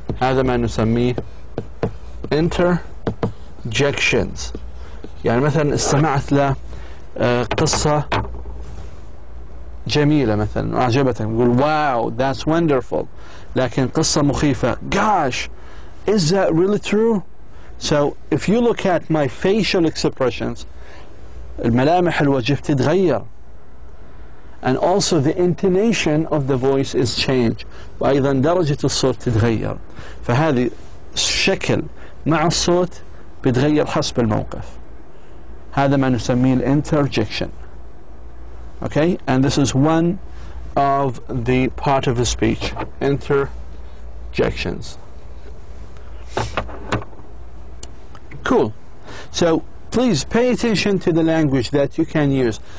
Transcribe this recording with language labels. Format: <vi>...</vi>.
<ar>هذا ما نسميه interjections. يعني مثلا استمعت لقصة جميلة مثلا أعجبتني نقول</ar> <en>wow that's wonderful,</en> <ar>لكن قصة مخيفة</ar> <en>gosh is that really true. So if you look at my facial expressions,</en> <ar>الملامح الوجه تتغير,</ar> <en>and also the intonation of the voice is changed,</en> <ar>وأيضا درجة الصوت تتغير. فهذه الشكل مع الصوت بتغير حسب الموقف. هذا ما نسميه interjection.</ar> <en>Okay, and this is one of the part of the speech, interjections. Cool. So please pay attention to the language that you can use.</en>